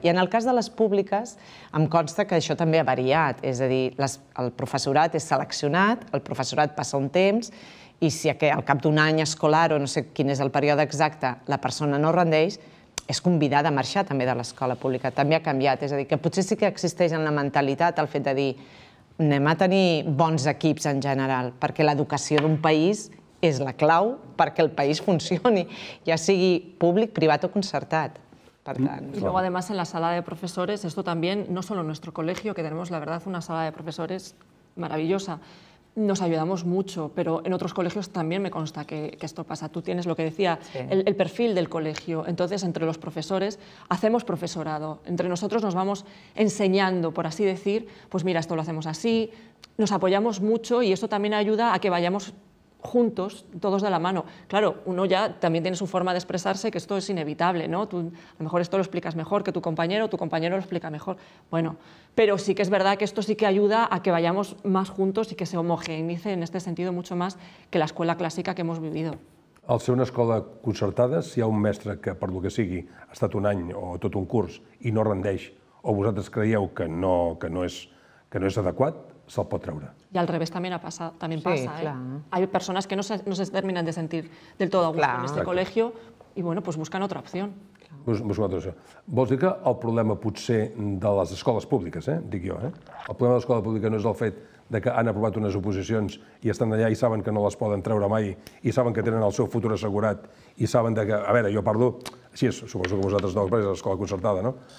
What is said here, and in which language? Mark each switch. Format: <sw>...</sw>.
<ca>I en el cas de les públiques, em consta que això també ha variat, és a dir, el professorat és seleccionat, el professorat passa un temps, i si al cap d'un any escolar, o no sé quin és el període exacte, la persona no rendeix, és convidada a marxar també de l'escola pública. També ha canviat, és a dir, que potser sí que existeix en la mentalitat el fet de dir anem a tenir bons equips en general, perquè l'educació d'un país és la clau perquè el país funcioni, ja sigui públic, privat o concertat. Per tant.</ca> <es>Y luego además en la sala de profesores, esto también, no solo en nuestro colegio, que tenemos la verdad una sala de profesores maravillosa, nos ayudamos mucho, pero en otros colegios también me consta que esto pasa. Tú tienes lo que decía, el perfil del colegio. Entonces, entre los profesores, hacemos profesorado. Entre nosotros nos vamos enseñando, por así decir, pues mira, esto lo hacemos así. Nos apoyamos mucho y eso también ayuda a que vayamos juntos, todos de la mano. Claro, uno ya también tiene su forma de expresarse, que esto es inevitable, ¿no? Tú, a lo mejor esto lo explicas mejor que tu compañero lo explica mejor. Bueno, pero sí que es verdad que esto sí que ayuda a que vayamos más juntos y que se homogeneice en este sentido mucho más que la escuela clásica que hemos vivido.</es> <ca>Al ser una escola concertada, si hi ha un mestre que, per lo que sigui, ha estat un any o tot un curs i no rendeix, o vosaltres creieu que no és adequat, se'l pot treure. I al revés també passa. També sí, passa, clar.</ca> <es>Hay persones que no se terminen de sentir</es> <ca>del tot a gust</ca> <es>en este colegio i, bueno, pues busquen otra opció.</es> <ca>Vols dir que el problema potser de les escoles públiques, dic jo, el problema de l'escola pública no és el fet de que han aprovat unes oposicions i estan allà i saben que no les poden treure mai i saben que tenen el seu futur assegurat i saben que, a veure, jo parlo, així és, suposo que vosaltres no, perquè és l'escola concertada, no?</ca>